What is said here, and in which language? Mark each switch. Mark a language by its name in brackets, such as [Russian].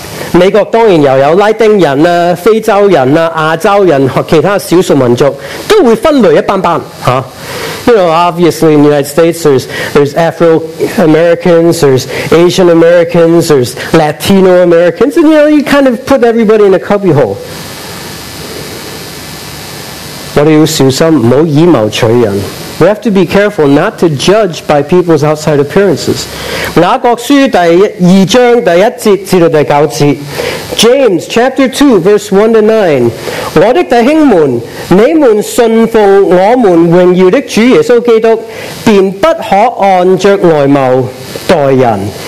[Chinese] 美国当然又有拉丁人、非洲人、亚洲人和其他少数民族，都会分类一班班。 [English] You know, obviously in the United States there's Afro-Americans, there's Asian-Americans, there's Latino-Americans, and you know, you kind of put everybody in a cubby hole. [Chinese] 我们要小心，不要以貌取人。 [English] We have to be careful not to judge by people's outside appearances. [Chinese] 雅各书第二章第一节至到第九节。 [English] James chapter 2 verse 1-9. [Chinese] 我的弟兄们，你们信奉我们荣耀的主耶稣基督，便不可按着外貌待人。